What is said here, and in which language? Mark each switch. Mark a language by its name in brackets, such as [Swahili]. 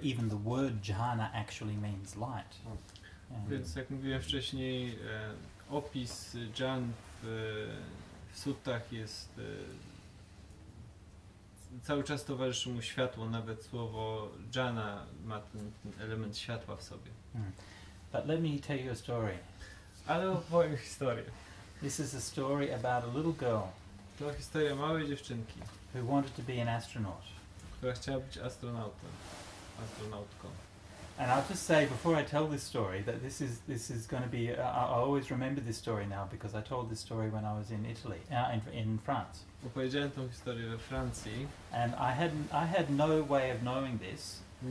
[English] Even the word jhana actually means light. [Polish] Więc jak mówiłem wcześniej, opis dżan w suttach jest cały czas towarzyszy mu światło. Nawet słowo dżana ma ten element światła w sobie. [English] But let me tell you a story. [Polish] Ale opowiem historię. [English] This is a story about a little girl. [Polish] To historia małej dziewczynki. [English] Who wanted to be an astronaut. [Polish] Która chciała być astronautą. Astronautką. [English] And I'll just say before I tell this story that this is going to be I always remember this story now because I told this story when I was in Italy, in France. [Polish] Opowiedziałem tą historię we Francji. [English] And I had no way of knowing this.